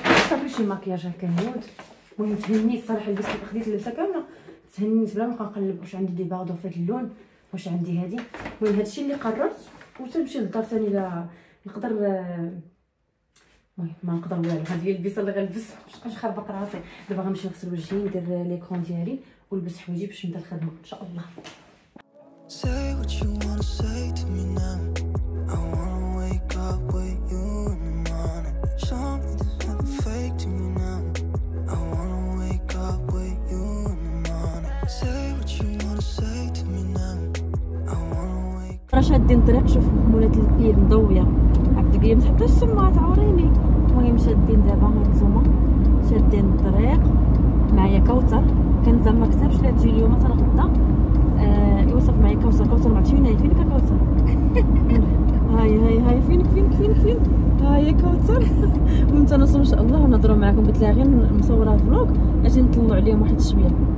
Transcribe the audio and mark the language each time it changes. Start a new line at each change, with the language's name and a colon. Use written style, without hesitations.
Arabic: صافي شي مكياج هكا نود. المهم تهنيت صراحه لبست خديت اللبسه كامله تهنيت بلا ما نبقى نقلب واش عندي دي باردو في هذا اللون واش عندي هذه. المهم هادشي اللي قررت وتمشي للدار ثاني الى نقدر. المهم ما نقدر والو، هذه هي اللبسه اللي غنلبس باش ما نبقاش خربق راسي. دابا غنمشي نغسل وجهي ندير ليكرون ديالي ونلبس حوايجي باش نبدا الخدمه ان شاء الله.
English: Say what you wanna say to me now. I wanna wake up with you in the morning. Show me this never fake to me now. I wanna wake up with you in the morning. Say what you wanna say to me now. I wanna wake.
Arabic: راه شادي الطريق شوف مولات البيض مضويه عبد القيم حتى السماعات عوريني. المهم شادين دابا هانتوما شادين الطريق معايا كوثر، كنزال ما كتبش لا تجي اليوم حتى غدا. يوسف معي كوثر، كوثر معك فين هاي فينك كوثر؟ هاي هاي هاي فينك فينك فينك فين هاي كوثر؟ ومتنصوا ان شاء الله ونهضروا معكم، قلت لها غير مصوره فلوق اجي نطلع عليهم واحد شويه.